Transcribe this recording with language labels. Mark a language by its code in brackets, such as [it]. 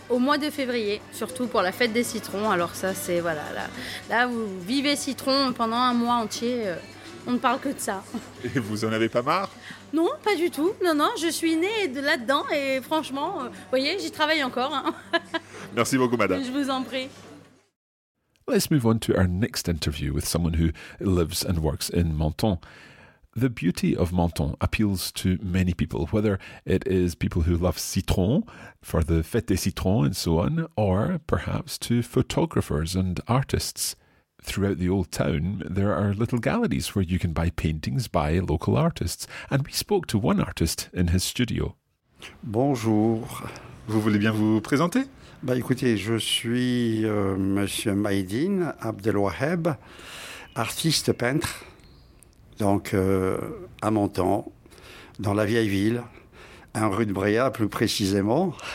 [fr] Au mois de février, surtout pour la fête des citrons. Alors ça, c'est, voilà, là vous vivez citron pendant un mois entier, on ne parle que de ça. Et vous en avez pas marre ? Non, pas du tout. Non, je suis née là-dedans et franchement, vous voyez, j'y travaille encore. Hein. Merci beaucoup, madame. Je vous en prie. [en] Let's move on to our next interview with someone who lives and works in Menton. The beauty of Menton appeals to many people, whether it is people who love citron for the Fête des Citrons and so on, or perhaps to photographers and artists. Throughout the old town, there are little galleries where you can buy paintings by local artists. And we spoke to one artist in his studio. [fr] Bonjour. Vous voulez bien vous présenter ? Bah écoutez, je suis Monsieur Maïdin Abdelwahab, artiste peintre, donc à Menton, dans la vieille ville, en rue de Bréa plus précisément.